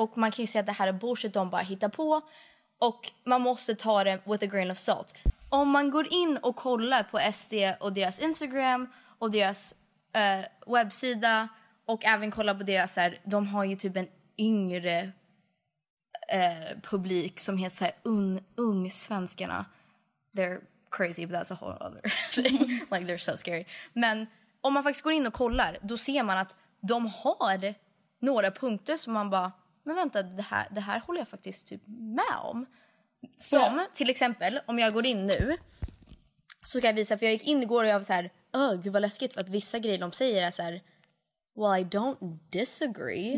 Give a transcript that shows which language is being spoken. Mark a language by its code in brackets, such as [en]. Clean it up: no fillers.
[sv] och man kan ju säga att det här är bullshit de bara hittar på. Och man måste ta det with a grain of salt. Om man går in och kollar på SD och deras Instagram och deras webbsida och även kollar på deras, så här, de har ju typ en yngre publik som heter så här, ung svenskarna. [en] They're crazy, but that's a whole other thing. Like, they're so scary. [sv] Men om man faktiskt går in och kollar, då ser man att de har några punkter som man bara, men vänta, det här håller jag faktiskt typ med om. Som, till exempel, om jag går in nu så ska jag visa, för jag gick in igår och jag var så här, gud vad läskigt, för att vissa grejer de säger är så här, well, I don't disagree.